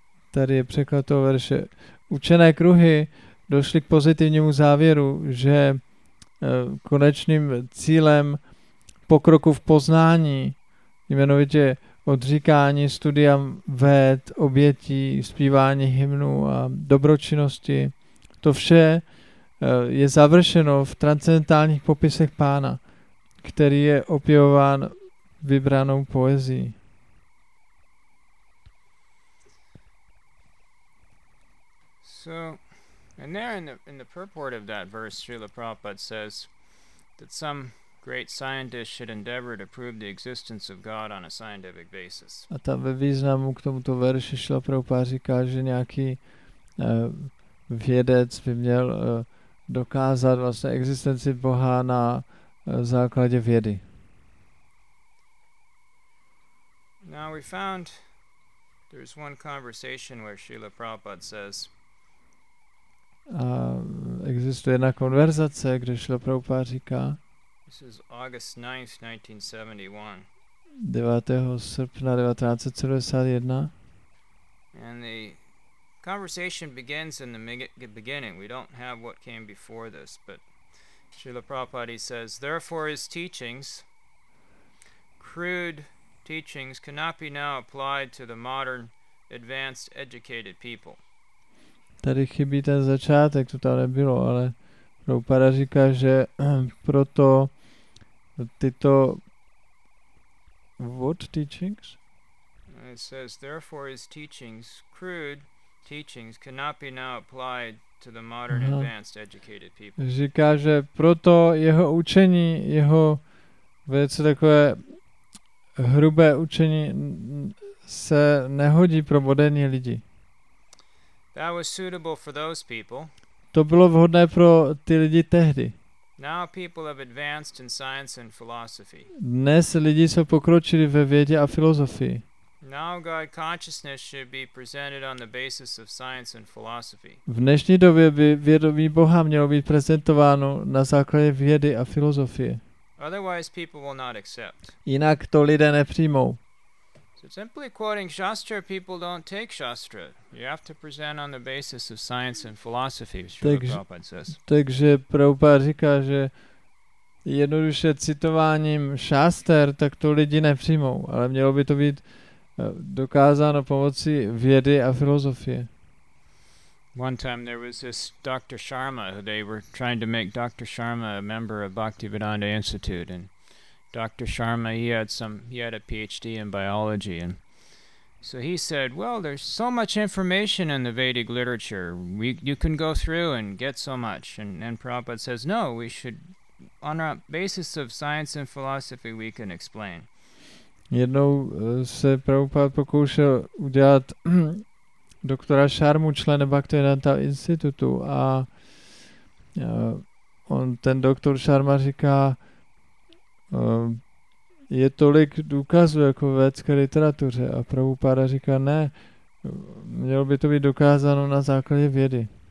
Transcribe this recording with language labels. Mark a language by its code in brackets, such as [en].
[cs] Tady je překlad toho verše. učené kruhy došly k pozitivnímu závěru, že konečným cílem pokroku v poznání, jmenovitě odříkání studiam véd, obětí, zpívání hymnů a dobročinnosti, to vše je završeno v transcendentálních popisech pána, který je opěvován vybranou poezií. [en] So, and there in the purport of that verse, Srila Prabhupada says that some great scientist should endeavor to prove the existence of God on a scientific basis. [cs] A tam ve významu k tomuto verši Srila Prabhupada říká, že nějaký vědec by měl dokázat vlastně existenci Boha na základě vědy. [en] Now we found there's one conversation where Srila Prabhupada says. [cs] A existuje jedna konverzace, kde Srila Prabhupada říká. [en] This is August 9th, 1971. [cs] 9. srpna 1971. [en] And the conversation begins in the beginning. We don't have what came before this, but Srila Prabhupada says, therefore his teachings, crude teachings, cannot be now applied to the modern, advanced, educated people. [cs] Tady chybí ten začátek, to tam nebylo, ale Prabhupada říká, že proto tyto [en] what teachings? It says, therefore his teachings, crude teachings, cannot be now applied to the modern advanced educated people. [cs] Říká, že proto jeho učení, jeho velice takové hrubé učení se nehodí pro moderní lidi. [en] That was suitable for those people. [cs] To bylo vhodné pro ty lidi tehdy. [en] Now people have advanced in science and philosophy. [cs] Dnes lidi jsou pokročili ve vědě a filozofii. [en] Now God consciousness should be presented on the basis of science and philosophy. [cs] V dnešní době by vědomí Boha mělo být prezentováno na základě vědy a filozofie. [en] Otherwise people will not accept. [cs] Jinak to lidé nepřijmou. [en] So simply quoting Shastra, people don't take Shastra. You have to present on the basis of science and philosophy, Srila Prabhupada says. [cs] Takže Prabhupada říká, že jednoduše citováním šáster, tak to lidi nepřijmou, ale mělo by to být dokázáno pomocí vědy a filozofie. [en] One time there was this Dr. Sharma, they were trying to make Dr. Sharma a member of Bhaktivedanta Institute, and Dr. Sharma, he had a PhD in biology, and so he said, well, there's so much information in the Vedic literature, you can go through and get so much, and Prabhupada says, no, we should, on a basis of science and philosophy, we can explain. [cs] Jednou se Prabhupada pokoušel udělat doktora Sharmu člena Bhaktivedanta Institutu, a on, ten doktor Sharma říká, je tolik důkazů jako v vědecké literatuře, a Prabhupada říká, ne, mělo by to být dokázáno na základě vědy.